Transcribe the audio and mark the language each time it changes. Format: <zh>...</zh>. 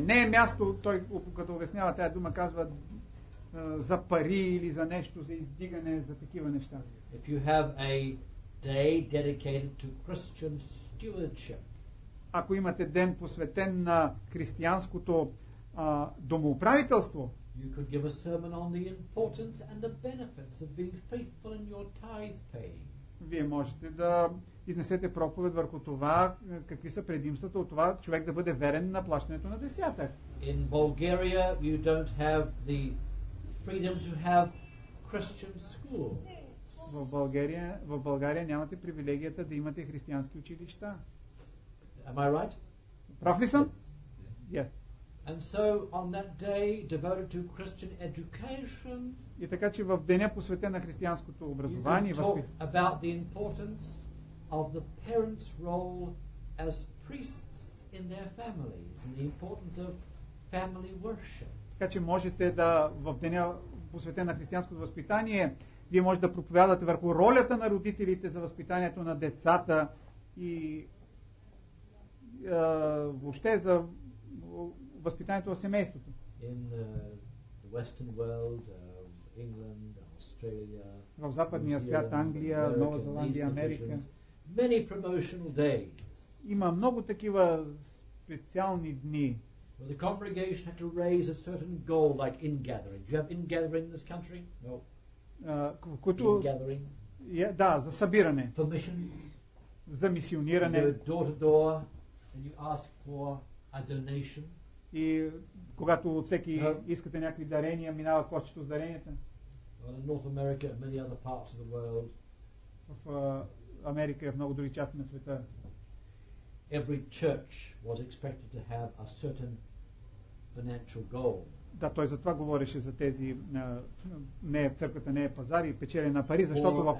<bg>Не е място, той като обяснява тая дума, казва за пари или за нещо, за издигане, за такива неща.</bg> <en>If you have a day dedicated to Christian stewardship,</en> <bg>ако имате ден посветен на християнското домоуправителство,</bg> <en>you could give a sermon on the importance and the benefits of being faithful in your tithe paying.</en> <bg>Вие можете да изнесете проповед върху това, какви са предимствата от това човек да бъде верен на плащането на десятък.</bg> <en>In Bulgaria you don't have the freedom to have Christian schools.</en> <bg>В България нямате привилегията да имате християнски училища.</bg> <en>Am I right?</en> <bg>Прав ли съм?</bg> <en>Yes. And so on that day devoted to Christian education.</en> <bg>И така че в деня посветен на християнското образование,</bg> <en>about the importance of the parents' role as priests in their families and the importance of family worship.</en> <bg>Така че можете да в деня посветен на християнското възпитание, вие може да проповядате върху ролята на родителите за възпитанието на децата и въобще за възпитанието на семейството.</bg> <en>In the Western world, England, Australia,</en> <bg>в западния свят, Англия, Нова Зеландия, Америка.</bg> <en>Many promotional days.</en> <bg>Има много такива специални дни.</bg> <en>Well, the congregation had to raise a certain goal like in-gathering. Do you have in-gathering in this country? No. In-gathering.</en> <bg>Yeah, да, за събиране.</bg> <en>For mission.</en> <bg>За мисиониране.</bg> <en>You go door-to-door and you ask for a donation.</en> <bg>И когато от всеки искате някакви дарения, минава кочето с даренията.</bg> <en>Well, in North America and many other parts of the world.</en> <bg>Америка и в много други части на света.</bg> <en>Every church was expected to have a certain financial goal.</en> <bg>Да, той затова говореше за тези не е църквата, не е пазари, печели на пари, защото в</bg>